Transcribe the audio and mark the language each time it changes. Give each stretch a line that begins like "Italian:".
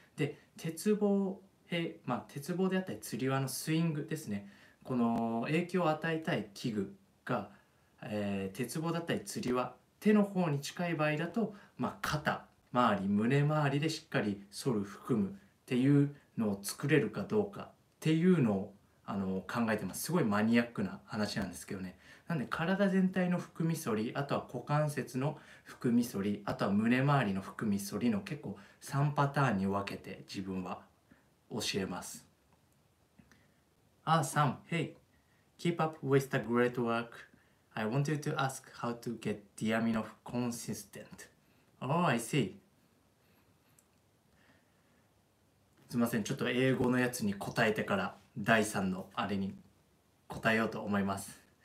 Japanese: で鉄棒であったり釣り輪のスイングですね、この影響を与えたい器具が、鉄棒だったり釣り輪手の方に近い場合だと、肩周り胸周りでしっかり反る含むっていうのを作れるかどうかっていうのを考えてます。すごいマニアックな話なんですけどね。なんで体全体の含み反り、あとは股関節の含み反り、あとは胸周りの含み反りの結構3パターンに分けて自分は教えます。
English: アーサム、ヘイ、Keep up with the great work. I want you to ask how to get Diaminov consistent. Oh, I see.
Japanese: すいません、ちょっと英語のやつに答えてから第3のあれに答えようと思います。